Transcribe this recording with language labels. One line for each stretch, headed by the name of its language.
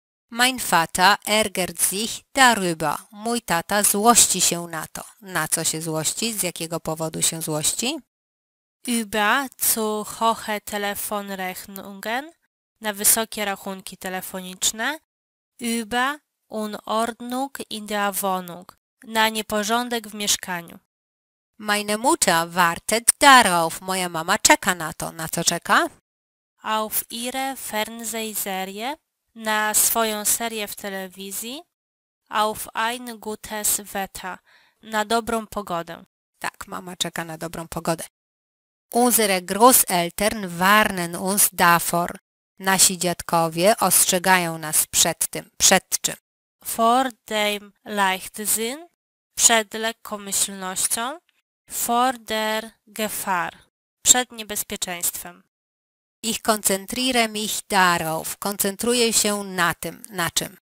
German: Mein Vater ärgert sich darüber.
Polish: Mój tata złości się na to. Na co się złości? Z jakiego powodu się złości?
German: Über zu hohe Telefonrechnungen,
Polish: na wysokie rachunki telefoniczne.
German: Über Unordnung in der Wohnung,
Polish: na nieporządek w mieszkaniu.
German: Meine Mutter wartet darauf.
Polish: Moja mama czeka na to. Na co czeka?
German: Auf ihre Fernsehserie,
Polish: na swoją serię w telewizji.
German: Auf ein gutes Wetter,
Polish: na dobrą pogodę. Tak, mama czeka na dobrą pogodę.
German: Unsere Großeltern warnen uns davor.
Polish: Nasi dziadkowie ostrzegają nas przed tym. Przed czym?
German: Vor dem Leichtsinn,
Polish: przed lekkomyślnością.
German: Vor der Gefahr,
Polish: przed niebezpieczeństwem.
German: Ich konzentriere mich darauf,
Polish: koncentruję się na tym. Na czym?